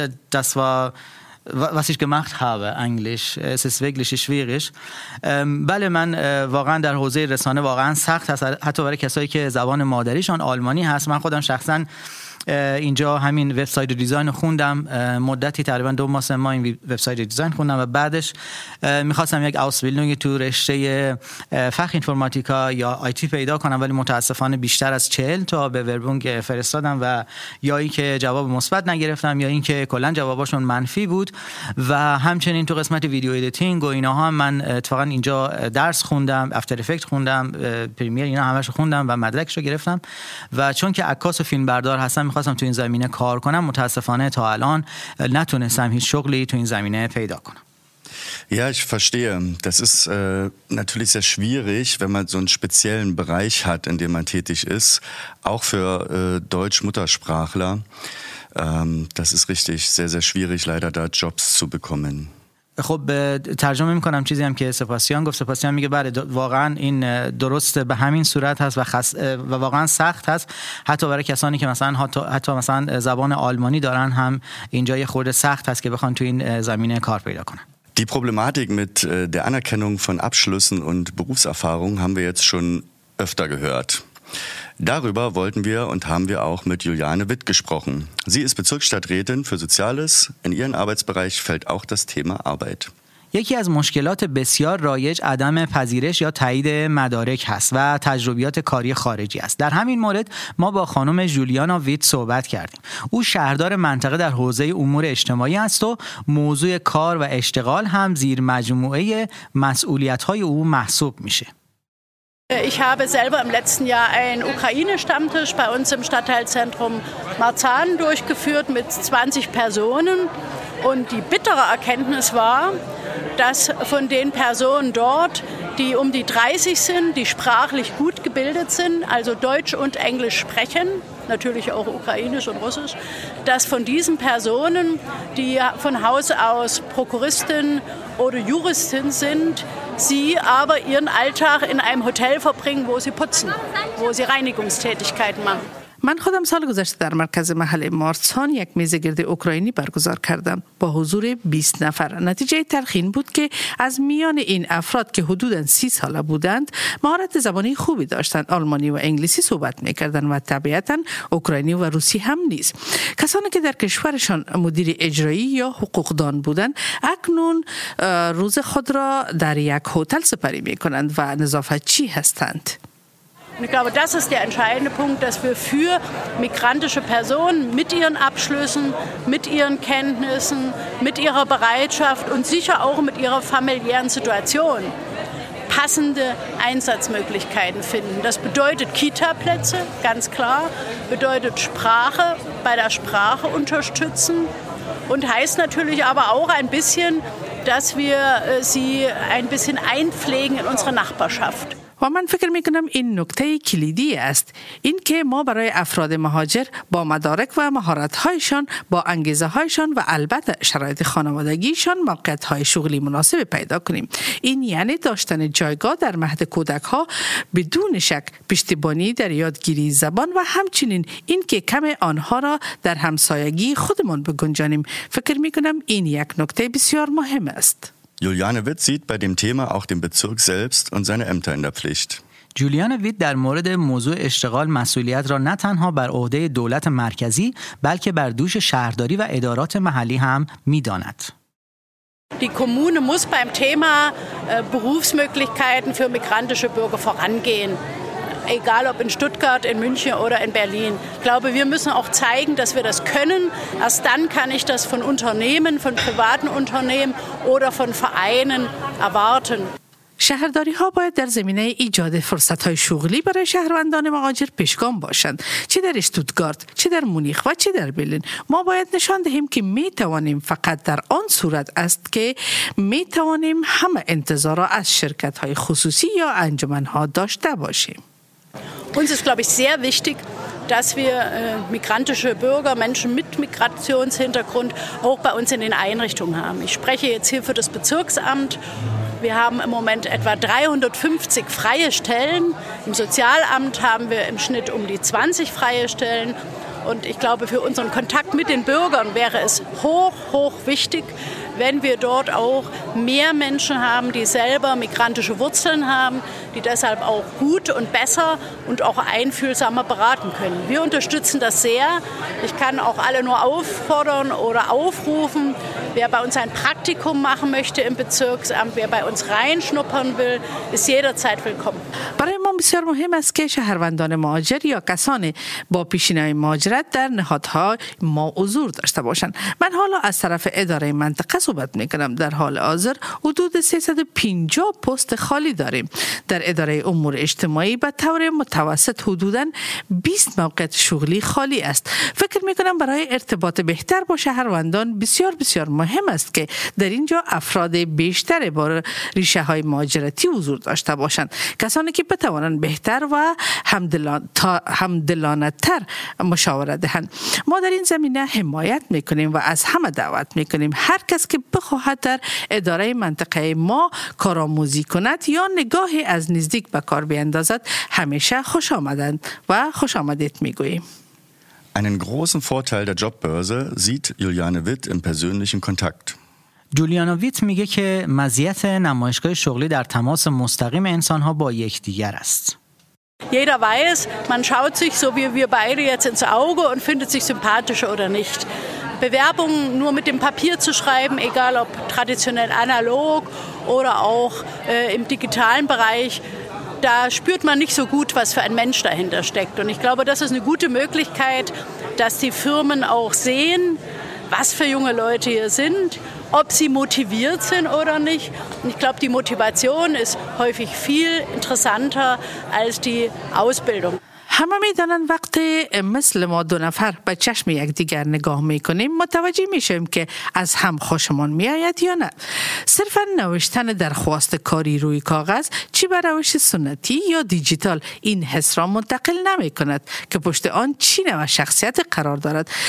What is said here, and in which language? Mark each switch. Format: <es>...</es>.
<de>Das war, was ich gemacht habe eigentlich. Es ist wirklich schwierig.</de> <fa>بله من واقعا در حوزه رسانه واقعا سخت هست، حتی برای کسایی که زبان مادریشان آلمانی هست. من خودم شخصا اینجا همین وبسایت دیزاین خوندم، مدتی تقریبا 2 ماه این وبسایت دیزاین خوندم و بعدش میخواستم یک</fa> <de>آسبیلنگ</de> <fa>تو رشته</fa> <de>فخ انفورماتیکا</de> <fa>یا IT پیدا کنم، ولی متاسفانه بیشتر از 40 تا به</fa> <de>وربونگ</de> <fa>فرستادم و یا اینکه جواب مثبت نگرفتم یا اینکه کلا جواباشون منفی بود. و همچنین تو قسمت ویدیو ادیتینگ و اینها من اتفاقا اینجا درس خوندم، افتر افکت خوندم، پریمیر، اینا همش خوندم و مدرکشو گرفتم و چون که عکاس و فیلمبردار اصلا میخواستم تو این زمینه کار کنم، متاسفانه تا الان نتونستم هیچ شغلی تو این زمینه پیدا کنم.</fa> <de>Ja, ich verstehe. Das ist natürlich sehr schwierig, wenn man so einen speziellen Bereich hat, in dem man tätig ist, auch für Deutsch-Muttersprachler. Das ist richtig sehr, sehr schwierig, leider da Jobs zu bekommen.</de> <fa>خب ترجمه میکنم چیزی هم که سپاسیان گفت. سپاسیان میگه بله واقعا این درست به همین صورت هست و واقعا سخت هست، حتی برای کسانی که مثلا حتی مثلا زبان آلمانی دارن هم اینجا یه خورده سخت هست که بخوان تو این زمینه کار پیدا کنن.</fa> <de>Die Problematik mit der Anerkennung von Abschlüssen und Berufserfahrung haben wir jetzt schon öfter gehört. Darüber wollten wir und haben wir auch mit Juliane Witt gesprochen. Sie ist Bezirksstadträtin für Soziales. In ihren Arbeitsbereich fällt auch das Thema Arbeit.</de> <fa>یکی از مشکلات بسیار رایج عدم پذیرش یا تایید مدارک هست و تجربیات کاری خارجی است. در همین مورد ما با خانم جولیانا ویت صحبت کردیم. او شهردار منطقه در حوزه امور اجتماعی است و موضوع کار و اشتغال هم زیر مجموعه مسئولیت‌های او محسوب میشه.</fa> <de>Ich habe selber im letzten Jahr einen Ukraine-Stammtisch bei uns im Stadtteilzentrum Marzahn durchgeführt mit 20 Personen. Und die bittere Erkenntnis war, dass von den Personen dort, die um die 30 sind, die sprachlich gut gebildet sind, also Deutsch und Englisch sprechen, natürlich auch Ukrainisch und Russisch, dass von diesen Personen, die von Haus aus Prokuristin oder Juristin sind, sie aber ihren Alltag in einem Hotel verbringen, wo sie putzen, wo sie Reinigungstätigkeiten machen.</de> <fa>من خودم سال گذشته در مرکز محل مارتسان یک میز گرد اوکراینی برگزار کردم با حضور 20 نفر. نتیجه تلخین بود که از میان این افراد که حدوداً 30 ساله بودند، مهارت زبانی خوبی داشتند، آلمانی و انگلیسی صحبت می‌کردند و طبیعتاً اوکراینی و روسی هم نیز. کسانی که در کشورشان مدیر اجرایی یا حقوقدان بودند، اکنون روز خود را در یک هتل سپری می‌کنند و نظافتچی هستند.</fa> <de>Und ich glaube, das ist der entscheidende Punkt, dass wir für migrantische Personen mit ihren Abschlüssen, mit ihren Kenntnissen, mit ihrer Bereitschaft und sicher auch mit ihrer familiären Situation passende Einsatzmöglichkeiten finden. Das bedeutet Kita-Plätze, ganz klar, bedeutet Sprache, bei der Sprache unterstützen und heißt natürlich aber auch ein bisschen, dass wir sie ein bisschen einpflegen in unsere Nachbarschaft.</de> <fa>و من فکر میکنم این نکته کلیدی است، این که ما برای افراد مهاجر با مدارک و مهارت‌هایشان، با انگیزه‌هایشان و البته شرایط خانوادگیشان موقعیت‌های شغلی مناسب پیدا کنیم. این یعنی داشتن جایگاه در مهد کودک‌ها بدون شک، پشتیبانی در یادگیری زبان و همچنین این که کم آنها را در همسایگی خودمان بگنجانیم. فکر میکنم این یک نکته بسیار مهم است.</fa> <de>Juliane Witt sieht bei dem Thema auch den Bezirk selbst und seine Ämter in der Pflicht.</de> <fa>جولیان وید در مورد موضوع اشتغال مسئولیت را نه تنها بر عهده دولت مرکزی بلکه بر دوش شهرداری و ادارات محلی هم می‌داند.</fa> <de>Die Kommune muss beim Thema Berufsmöglichkeiten für migrantische Bürger vorangehen. egal ob in Stuttgart, in München oder in Berlin. Ich glaube, wir müssen auch zeigen, dass wir das können. Erst dann kann ich das von Unternehmen, von privaten Unternehmen oder von Vereinen erwarten.</de> <fa>شهرداری ها باید در زمینه ایجاد فرصت های شغلی برای شهروندان مهاجر پیشگام باشند. چه در اشتوتگارت، چه در مونیخ و چه در برلین. ما باید نشان دهیم که می توانیم فقط در آن صورت است که می توانیم همه انتظار را از شرکت های خصوصی یا انجمن ها داشته باشیم.</fa> <de>Uns ist, glaube ich, sehr wichtig, dass wir migrantische Bürger, Menschen mit Migrationshintergrund auch bei uns in den Einrichtungen haben. Ich spreche jetzt hier für das Bezirksamt. Wir haben im Moment etwa 350 freie Stellen. Im Sozialamt haben wir im Schnitt um die 20 freie Stellen. Und ich glaube, für unseren Kontakt mit den Bürgern wäre es hoch, hoch wichtig, wenn wir dort auch mehr Menschen haben, die selber migrantische Wurzeln haben, die deshalb auch gut und besser und auch einfühlsamer beraten können. Wir unterstützen das sehr. Ich kann auch alle nur auffordern oder aufrufen, wer bei uns ein Praktikum machen möchte im Bezirksamt, wer bei uns reinschnuppern will, ist jederzeit willkommen.</de> <fa>بسیار مهم است که شهروندان مهاجر یا کسانی با پیشینه مهاجرت در نهادها ما حضور داشته باشند. من حالا از طرف اداره منطقه صحبت میکنم. در حال حاضر حدود 350 پست خالی داریم. در اداره امور اجتماعی به طور متوسط حدوداً 20 موقعیت شغلی خالی است. فکر میکنم برای ارتباط بهتر با شهروندان بسیار بسیار مهم است که در اینجا افراد بیشتر با ریشه های مهاجرتی حضور داشته باشند. کسانی که توانند بهتر و همدلانه‌تر مشاوره دهند. ما در این زمینه حمایت میکنیم و از همه دعوت میکنیم. هر کس که بخواهد در اداره منطقه ما کارآموزی کند یا نگاهی از نزدیک به کار بیندازد همیشه خوش آمدند و خوش آمدید میگوییم.</fa> <de>Einen großen Vorteil der Jobbörse sieht Juliane Witt im persönlichen Kontakt.</de> <fa>جولیانا ویت میگه که مزیت نمایشگاه شغلی در تماس مستقیم انسان‌ها با یکدیگر است.</fa> <de>Jeder weiß, man schaut sich so wie wir beide jetzt ins Auge und findet sich sympathisch oder nicht. Bewerbungen nur mit dem Papier zu schreiben, egal ob traditionell analog oder auch im digitalen Bereich, da spürt man nicht so gut, was für ein Mensch dahinter steckt. Und ich glaube, das ist eine gute Möglichkeit, dass die Firmen auch sehen, was für junge Leute hier sind, ob sie motiviert sind oder nicht. Und ich glaube, die Motivation ist häufig viel interessanter als die Ausbildung.</de> <fa>همه می دانند وقتی مثل ما دو نفر به چشم یک دیگر نگاه می کنیم متوجه می شویم که از هم خوشمان می آید یا نه. صرفا نوشتن درخواست کاری روی کاغذ چی به روش سنتی یا دیجیتال این حس را منتقل نمی کند که پشت آن چی نوع شخصیت قرار دارد.</fa>